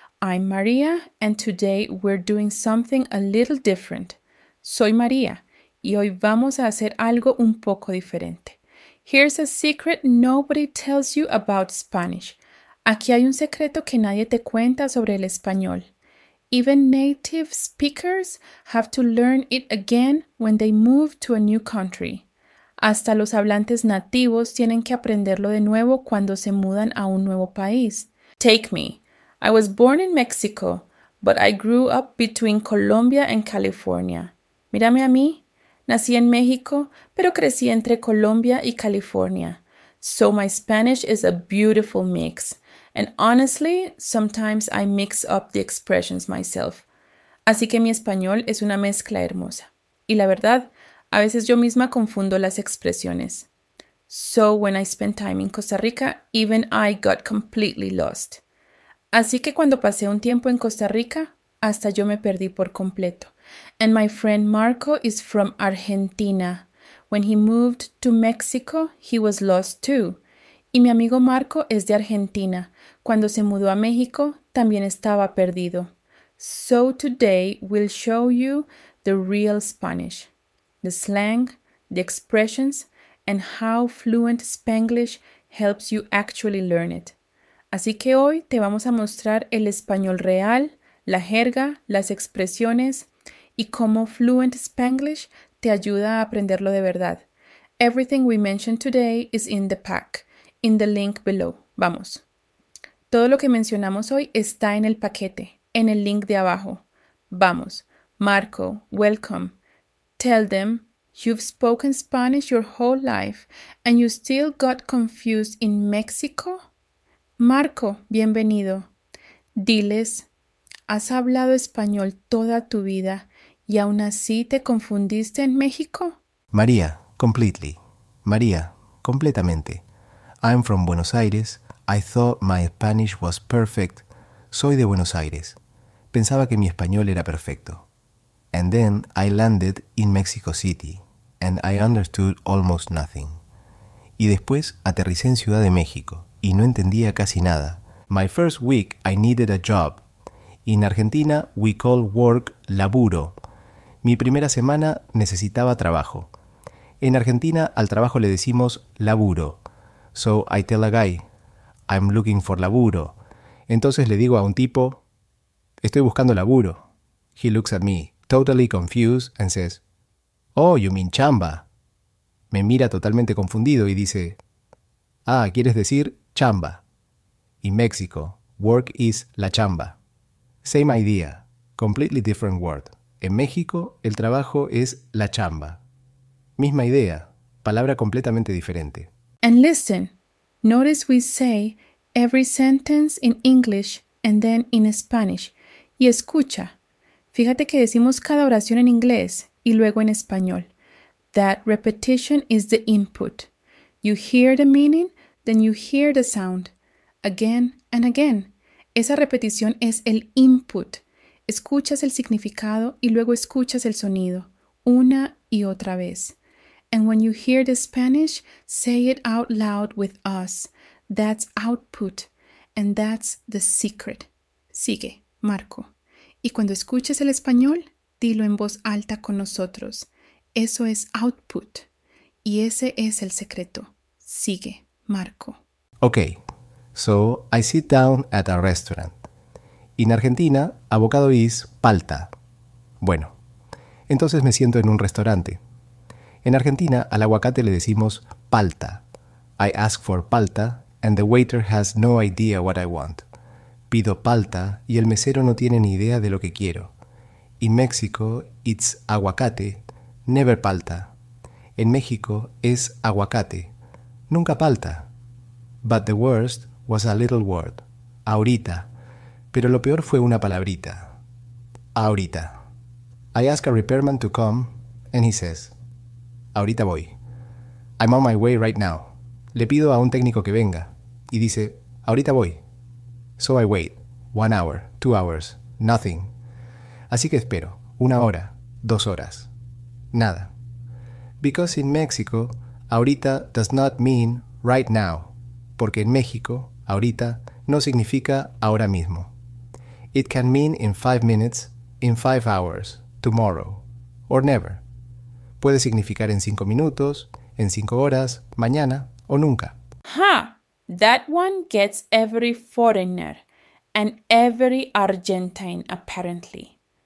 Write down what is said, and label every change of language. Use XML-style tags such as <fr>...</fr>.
<en>I'm Maria, and today we're doing something a little different.</en> <es>Soy Maria, y hoy vamos a hacer algo un poco diferente.</es> <en>Here's a secret nobody tells you about Spanish.</en> <es>Aquí hay un secreto que nadie te cuenta sobre el español.</es> <en>Even native speakers have to learn it again when they move to a new country.</en> <es>Hasta los hablantes nativos tienen que aprenderlo de nuevo cuando se mudan a un nuevo país.</es> <en>Take me. I was born in Mexico, but I grew up between Colombia and California.</en> <es>Mírame a mí. Nací en México, pero crecí entre Colombia y California.</es> <en>So my Spanish is a beautiful mix. And honestly, sometimes I mix up the expressions myself.</en> <es>Así que mi español es una mezcla hermosa. Y la verdad, a veces yo misma confundo las expresiones.</es> <en>So when I spent time in Costa Rica, even I got completely lost.</en> <es>Así que cuando pasé un tiempo en Costa Rica, hasta yo me perdí por completo.</es> <en>And my friend Marco is from Argentina. When he moved to Mexico, he was lost too.</en> <es>Y mi amigo Marco es de Argentina. Cuando se mudó a México, también estaba perdido.</es> <en>So today we'll show you the real Spanish. The slang, the expressions, and how fluent Spanglish helps you actually learn it.</en> <es>Así que hoy te vamos a mostrar el español real, la jerga, las expresiones, y cómo fluent Spanglish te ayuda a aprenderlo de verdad.</es> <en>Everything we mentioned today is in the pack, in the link below.</en> <es>Vamos. Todo lo que mencionamos hoy está en el paquete, en el link de abajo. Vamos.</es> <en>Marco, welcome. Tell them, you've spoken Spanish your whole life and you still got confused in Mexico?</en> <es>Marco, bienvenido. Diles, ¿has hablado español toda tu vida y aún así te confundiste en México?</es> <en>María, completely.</en> <es>María, completamente.</es> <en>I'm from Buenos Aires. I thought my Spanish was perfect.</en> <es>Soy de Buenos Aires. Pensaba que mi español era perfecto.</es> <en>And then I landed in Mexico City, and I understood almost nothing.</en> <es>Y después aterricé en Ciudad de México, y no entendía casi nada.</es> <en>My first week I needed a job. In Argentina we call work laburo.</en> <es>Mi primera semana necesitaba trabajo. En Argentina al trabajo le decimos laburo.</es> <en>So I tell a guy, I'm looking for laburo.</en> <es>Entonces le digo a un tipo, estoy buscando laburo.</es> <en>He looks at me, totally confused, and says, oh, you mean chamba.</en> <es>Me mira totalmente confundido y dice, ah, quieres decir chamba.</es> <en>In Mexico, work is la chamba. Same idea, completely different word.</en> <es>En México, el trabajo es la chamba. Misma idea, palabra completamente diferente.</es> <en>And listen, notice we say every sentence in English and then in Spanish.</en> <es>Y escucha. Fíjate que decimos cada oración en inglés y luego en español.</es> <en>That repetition is the input. You hear the meaning, then you hear the sound. Again and again.</en> <es>Esa repetición es el input. Escuchas el significado y luego escuchas el sonido. Una y otra vez.</es> <en>And when you hear the Spanish, say it out loud with us. That's output. And that's the secret.</en> <es>Sigue, Marco. Y cuando escuches el español, dilo en voz alta con nosotros. Eso es output. Y ese es el secreto. Sigue, Marco.</es> <en>Okay, so I sit down at a restaurant. In Argentina, abocado is palta.</en> <es>Bueno, entonces me siento en un restaurante. En Argentina, al aguacate le decimos palta.</es> <en>I ask for palta and the waiter has no idea what I want.</en> <es>Pido palta y el mesero no tiene ni idea de lo que quiero.</es> <en>In Mexico, it's aguacate, never palta.</en> <es>En México, es aguacate, nunca palta.</es> <en>But the worst was a little word, ahorita.</en> <es>Pero lo peor fue una palabrita, ahorita.</es> <en>I ask a repairman to come, and he says,</en> <es>ahorita voy.</es> <en>I'm on my way right now.</en> <es>Le pido a un técnico que venga, y dice, ahorita voy.</es> <en>So I wait. 1 hour. 2 hours. Nothing.</en> <es>Así que espero. 1 hora. 2 horas. Nada.</es> <en>Because in Mexico, ahorita does not mean right now.</en> <es>porque en México, ahorita, no significa ahora mismo.</es> <en>It can mean in 5 minutes, in 5 hours, tomorrow, or never.</en> <es>Puede significar en 5 minutos, en 5 horas, mañana, o nunca. Ha!</es> <en>That one gets every foreigner and every Argentine, apparently.</en>